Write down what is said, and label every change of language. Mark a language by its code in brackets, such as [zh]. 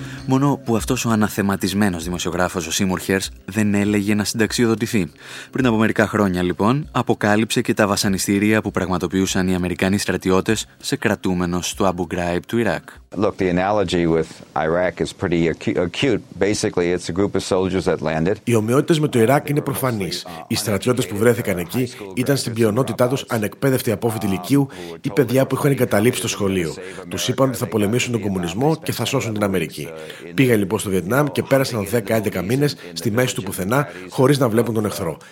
[el] Μόνο που αυτός ο αναθεματισμένος δημοσιογράφος ο Σίμουρ Χέρς δεν έλεγε να συνταξιοδοτηθεί. Πριν από μερικά χρόνια λοιπόν, αποκάλυψε και τα βασανιστήρια που πραγματοποιούσαν οι Αμερικανοί στρατιώτες σε κρατούμενο του Αμπου Γκράιμπ του Ιράκ. [en] Look, the analogy with Iraq is pretty acute. Basically, it's a group of soldiers that landed. [el] Οι ομοιότητες με το Ιράκ είναι προφανείς. Οι στρατιώτες που βρέθηκαν εκεί ήταν στην πλειονότητά τους ανεκπαίδευτοι απόφοιτοι λυκείου ή παιδιά που είχαν εγκαταλείψει το σχολείο. Τους είπαν ότι θα πολεμήσουν τον κομμουνισμό και θα σώσουν την Αμερική. Πήγαν λοιπόν στο Βιετνάμ και πέρασαν 10-11 μήνες στη μέση του πουθενά, χωρίς να βλέπουν τον εχθρό.